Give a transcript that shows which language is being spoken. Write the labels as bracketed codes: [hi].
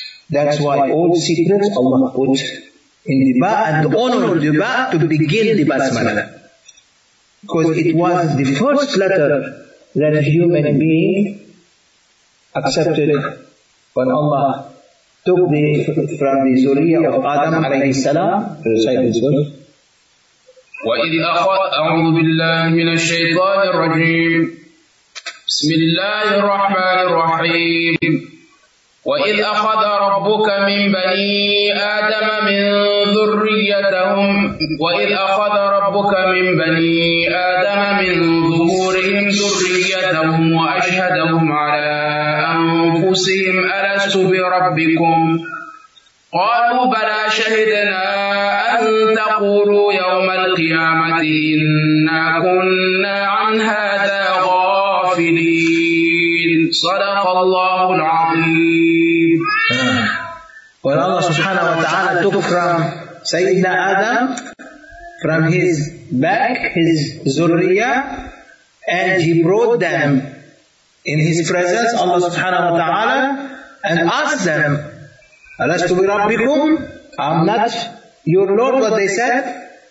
[en] That's why all secrets Allah put in the ba and honor the ba to begin the basmala. Because it was the first letter that a human being accepted when Allah took the from the Zuriya of Adam alayhi salam, recite this verse. [ar] وَإِذْ أَخَذَ أَعُوذُ بِاللَّهِ مِنَ الشَّيْطَانِ الرَّجِيمِ بِسْمِ اللَّهِ الرَّحْمَنِ الرَّحِيمِ وَإِذْ أَخَذَ رَبُّكَ مِنْ بَنِي آدَمَ مِنْ ذُرِّيَّتِهِمْ وَإِذْ أَخَذَ رَبُّكَ مِنْ بَنِي آدَمَ مِنْ ظُهُورِهِمْ ذُرِّيَّتَهُمْ وَأَشْهَدَهُمْ عَلَى أَنْفُسِهِمْ أَلَسْتُ بِرَبِّكُمْ قالوا بلى شهدنا أن تقولوا يوم القيامة إنا كنا عن هذا غافلين صدق الله العظيم. [en] When Allah subhanahu wa ta'ala took from Sayyidina Adam from his back, his zurriya, and he brought them in his presence, Allah subhanahu wa ta'ala, and asked them, [ar] أَلَسْتُ بِرَبِّكُمْ [en] I'm not your Lord, what they said?